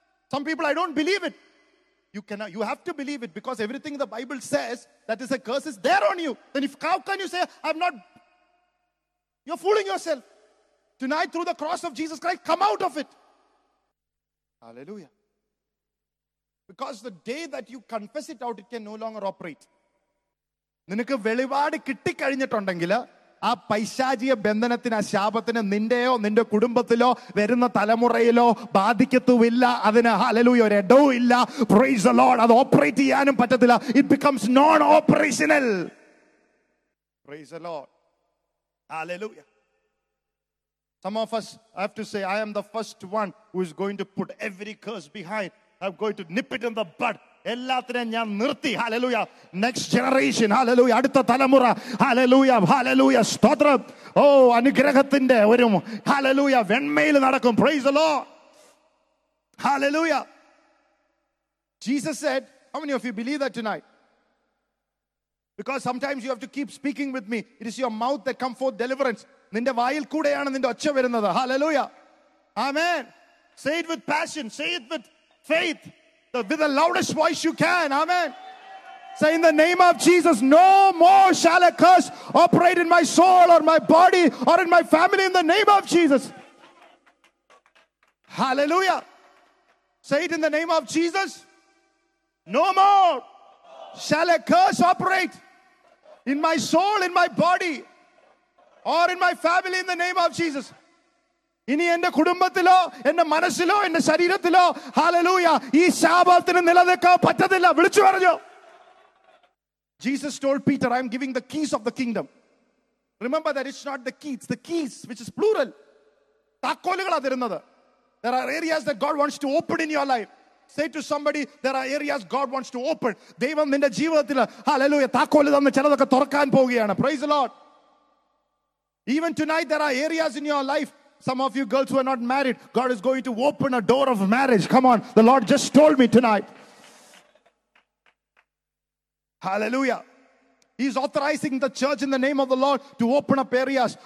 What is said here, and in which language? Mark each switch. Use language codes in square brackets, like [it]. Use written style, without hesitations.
[en] Some people, I don't believe it. You have to believe it, because everything the Bible says that is a curse is there on you. Then how can you say, I'm not? You're fooling yourself. Tonight, through the cross of Jesus Christ, come out of it. Hallelujah. Because the day that you confess it out, it can no longer operate. [ml] നിനക്ക് വെളിപാട് കിട്ടിക്കഴിഞ്ഞിട്ടുണ്ടെങ്കിൽ ആ പൈശാചിക ബന്ധനത്തിന്, ആ ശാപത്തിന് നിന്റെയോ നിന്റെ കുടുംബത്തിലോ വരുന്ന തലമുറയിലോ ബാധിക്കത്തുമില്ല. അതിന് hallelujah ഒരു ഇടവും ഇല്ല. [en] Praise the Lord. [ml] അത് ഓപ്പറേറ്റ് ചെയ്യാനും പറ്റത്തില്ല. [en] It becomes non operational. Praise the Lord. Hallelujah. Some of us have to say, I am the first one who is going to put every curse behind. I'm going to nip it in the bud. [ml] എല്ലാത്തിനെയും ഞാൻ നിർത്തി. Hallelujah. [en] Next generation. [ml] Hallelujah. അടുത്ത തലമുറ. Hallelujah. Hallelujah. സ്തോത്രം. ഓ, അനുഗ്രഹത്തിന്റെ ഒരു hallelujah വെണ്മയിൽ നടക്കും. [en] Praise the Lord. [ml] Hallelujah. [en] Jesus said, how many of you believe that tonight? Because sometimes you have to keep speaking with me. It is your mouth that comes forth deliverance. [ml] നിന്റെ വായിൽ കൂടെയാണ് നിന്റെ ഒച്ച വരുന്നത്. [en] Hallelujah. Amen. Say it with passion. Say it with faith. With the loudest voice you can. Amen. Say, in the name of Jesus, no more shall a curse operate in my soul or my body or in my family, in the name of Jesus. Hallelujah. Say it in the name of Jesus. No more shall a curse operate in my soul, in my body, or in my family, in the name of Jesus. [ml] ഇനി എന്റെ കുടുംബത്തിലോ എന്റെ മനസ്സിലോ എന്റെ ശരീരത്തിലോ hallelujah ഈ ശാപത്തിന് നിലനിൽക്കാൻ പറ്റത്തില്ല. വിളിച്ചു പറഞ്ഞു. [en] Jesus told Peter, I am giving the keys of the kingdom. Remember that it's not the key, it's the keys, which is plural. [ml] താക്കോലുകളാ തരുന്നത്. [en] There are areas that God wants to open in your life. Say to somebody, there are areas God wants to open. [ml] ദൈവം നിന്റെ ജീവിതത്തിൽ hallelujah താക്കോൽ തന്ന് ചിലതൊക്കെ തുറക്കാൻ പോവുകയാണ്. [en] Praise the Lord. Even tonight, there are areas in your life. Some of you girls who are not married, God is going to open a door of marriage. Come on, the Lord just told me tonight. Hallelujah. He's authorizing the church in the name of the Lord to open up areas.